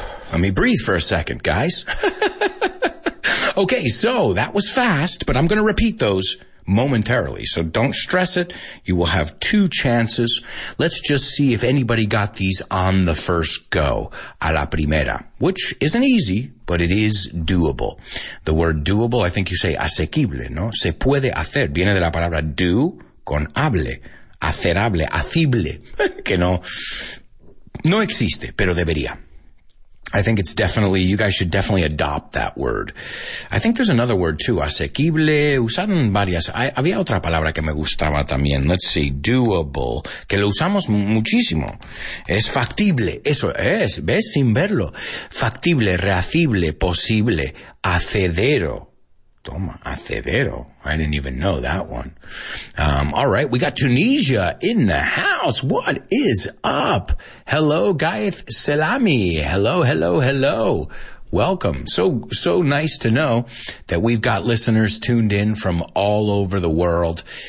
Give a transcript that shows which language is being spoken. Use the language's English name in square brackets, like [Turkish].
[English] Let me breathe for a second, guys. Okay, so that was fast, but I'm going to repeat those momentarily. So don't stress it. You will have two chances. Let's just see if anybody got these on the first go, [Spanish] a la primera, [English] which isn't easy, but it is doable. The word doable, I think you say asequible, [Spanish] ¿no? Se puede hacer. Viene de la palabra do con hable, hacerable, hacible, que no existe, pero debería. [English] I think it's definitely, you guys should definitely adopt that word. I think there's another word too, [Spanish] asequible, usaron varias, había otra palabra que me gustaba también, let's see, doable, que lo usamos muchísimo, es factible, eso es, ves, sin verlo, factible, rehacible, posible, accedero. Toma, accedero. [English] I didn't even know that one. All right, we got Tunisia in the house. What is up? Hello, Gaith Selami. Hello, hello, hello. Welcome. So nice to know that we've got listeners tuned in from all over the world.